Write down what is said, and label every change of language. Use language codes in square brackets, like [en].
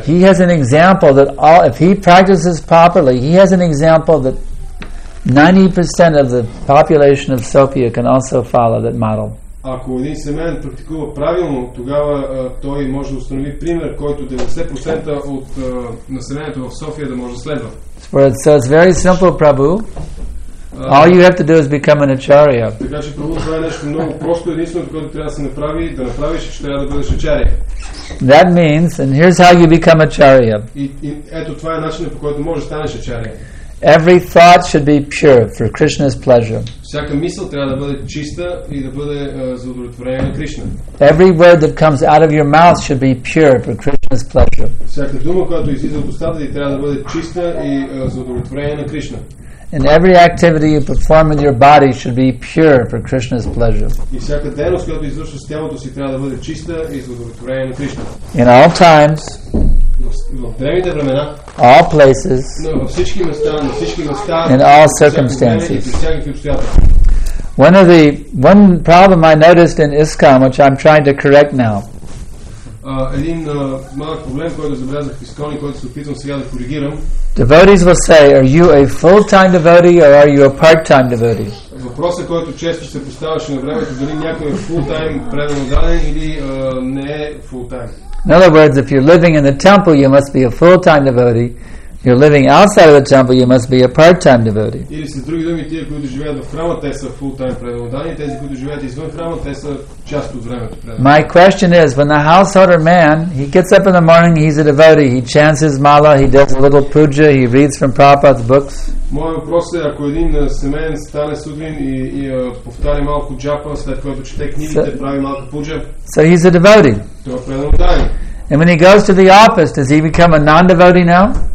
[en] He has an example that all, if he practices properly, he has an example that 90% of the population of Sofia can also follow that model. [bg] Ако един семейен практикува правилно, тогава той може да установи пример, който 90% от населението в София да може да следва. [en] So it's very simple, Prabhu. All you have to do is become an acharya. [bg] Така че това е нещо много просто, единственото, което трябва да се направи, да направиш, че трябва да бъдеш ачария. [en] That means, and here's how you become ачария. [bg] И ето това е начинът, по който можеш да станеш ачария. [en] Every thought should be pure for Krishna's pleasure. [bg] Всяка мисъл трябва да бъде чиста и да бъде за удовлетворение на Кришна. [en] Every word that comes out of your mouth should be pure for Krishna's pleasure. [bg] Всяка дума, която излиза от устата ти, трябва да бъде чиста и за удовлетворение на Кришна. [en] And every activity you perform with your body should be pure for Krishna's pleasure. [bg] И всяка дейност, която извършваш с тялото си, трябва да бъде чиста и за удовлетворение на Кришна. [en] In all times, [bg] в древните времена, [en] all places, [bg] във всички места, на всички места, [en] in all circumstances. [bg] Всякакви обстоятелства. [en] One problem I noticed in ISKCON, which I'm trying to correct now. [bg] Един малък проблем, който забелязах в ИСКОН и който се опитвам сега да коригирам. [en] Devotees will say, are you a full-time devotee or are you a part-time devotee? [bg] Въпросът, който често се поставяше на времето, дали някой е full-time предан отдаден или не е full-time. [en] In other words, if you're living in the temple, you must be a full-time devotee. you're living outside of the temple, you must be a part-time devotee. [bg] Или се други думи, тие които живеят в храма, те са full-time преданодани, тези които живеят извън храма, те са част от времето преданодани. [en] My question is, when the householder man, he gets up in the morning, he's a devotee, he chants his mala, he does a little puja, he reads from Prabhupada's books. [bg] Моят въпрос е, ако един семеен стане сутрин и повтари малко джапа, след което чете книгите, прави малко пуджа. [en] So he's a devotee. [bg] Това преданодани. [en] And when he goes to the office, does he become a non-devotee now?